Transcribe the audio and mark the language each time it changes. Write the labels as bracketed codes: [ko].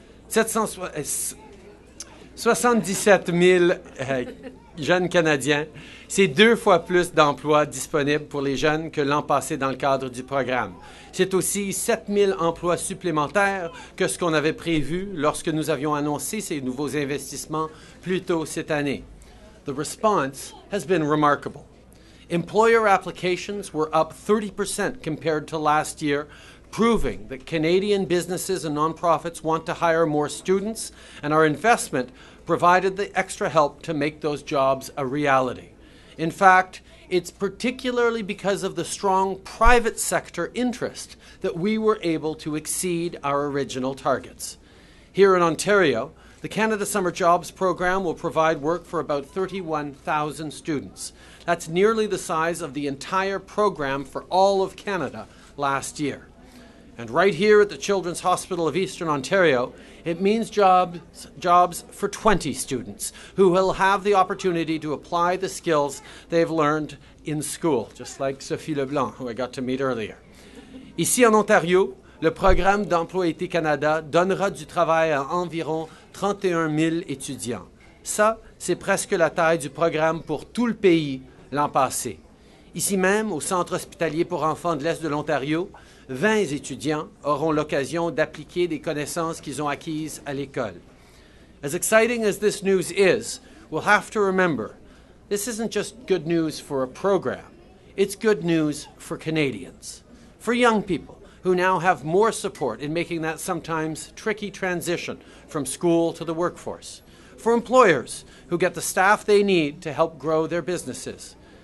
[fr] 77 000 jeunes Canadiens, c'est deux fois plus d'emplois disponibles pour les jeunes que l'an passé dans le cadre du programme. C'est aussi 7 000 emplois supplémentaires que ce qu'on avait prévu lorsque nous avions annoncé ces nouveaux investissements plus tôt cette année. [en] The response has been remarkable. Employer applications were up 30% compared to last year, proving that Canadian businesses and nonprofits want to hire more students, and our investment provided the extra help to make those jobs a reality. In fact, it's particularly because of the strong private sector interest that we were able to exceed our original targets. Here in Ontario, the Canada Summer Jobs Program will provide work for about 31,000 students. That's nearly the size of the entire program for all of Canada last year. And right here at the Children's Hospital of Eastern Ontario, it means jobs for 20 students who will have the opportunity to apply the skills they've learned in school, just like Sophie Leblanc, who I got to meet earlier. [fr] Ici en Ontario, le programme d'emploi été Canada donnera du travail à environ 31 000 étudiants. Ça, c'est presque la taille du programme pour tout le pays l'an passé. Ici même, au Centre hospitalier pour enfants de l'Est de l'Ontario, 20 étudiants auront l'occasion d'appliquer des connaissances qu'ils ont acquises à l'école. [en] As exciting as this news is, we'll have to remember, this isn't just good news for a program. It's good news for Canadians, for young people who now have more support in making that sometimes tricky transition from school to the workforce, for employers who get the staff they need to help grow their businesses.